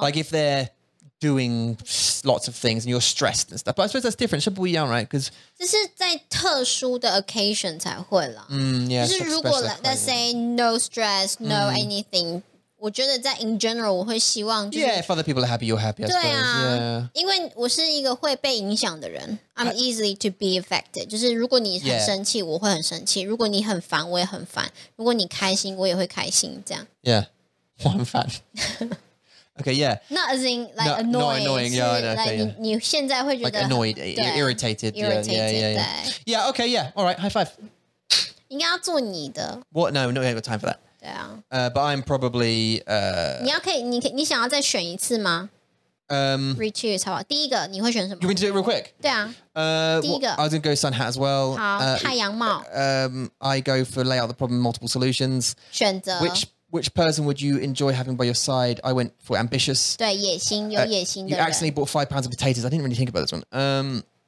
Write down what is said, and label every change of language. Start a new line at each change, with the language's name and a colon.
English: Like if they're doing lots of things and you're stressed and stuff. But I suppose that's different.
Chinese: 是不一样,
English: right? Because
Chinese: 这是在特殊的 occasion 才会啦。
English: Yeah,
Chinese: 就是如果
English: let's say no stress, no anything,
Chinese: 我觉得在
English: in general
Chinese: 我会希望就是
English: Yeah, if other people are happy, you're happy, I suppose.
Chinese: 对啊,
English: yeah.
Chinese: 因为我是一个会被影响的人。
English: I'm easily to be affected.
Chinese: 就是如果你很生气, yeah. 我会很生气。如果你很烦, 我也很烦。如果你开心, 我也会开心。这样。 Yeah, 我很烦。Okay, yeah.
English: Not as in like no, annoying. Not annoying, yeah, like, okay, yeah. Like, you
Chinese: 现在会觉得
English: like annoyed, irritated. Irritated, yeah, yeah, yeah. Yeah, okay, yeah. All right, high five.
Chinese: 应该要做你的。
English: What? No, no, we haven't got time for that.
Chinese: 对啊。
English: But I'm probably...
Chinese: 你要可以, 你想要再选一次吗? Re-choose, 好吧。第一个你会选什么?
English: You want me to do it real quick?
Chinese: 对啊。第一个。
English: I was going to go sun hat as well.
Chinese: 好,太阳帽。
English: I go for lay out the problem, multiple solutions.
Chinese: 选择。
English: Which person would you enjoy having by your side? I went for ambitious.
Chinese: 对,野心,有野心的人。
English: You accidentally bought 5 pounds of potatoes. I didn't really think about this one.